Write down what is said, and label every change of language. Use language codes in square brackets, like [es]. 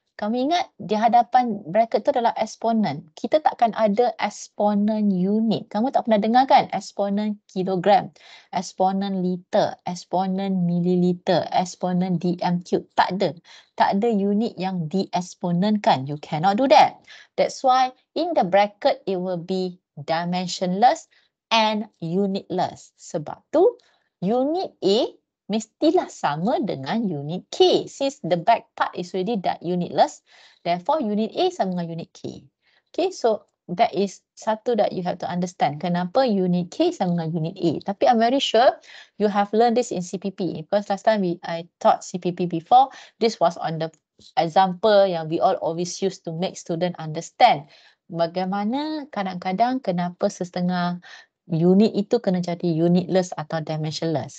[ms] Kamu ingat di hadapan bracket tu adalah eksponen. Kita takkan ada eksponen unit. Kamu tak pernah dengar kan? Eksponen kilogram, eksponen liter, eksponen mililiter, eksponen dm cube. Tak ada. Tak ada unit yang dieksponenkan. [en] You cannot do that. That's why in the bracket it will be dimensionless and unitless. [ms] Sebab tu unit A mestilah sama dengan unit K. [en] Since the back part is already that unitless, therefore unit A [ms] sama dengan [en] unit K. Okay, so that is satu that you have to understand. [ms] Kenapa unit K sama dengan unit A? [en] Tapi I'm very sure you have learned this in CPP. Because last time I taught CPP before, this was on the example yang we all always use to make student understand. [ms] Bagaimana kadang-kadang kenapa setengah unit itu kena jadi unitless atau dimensionless.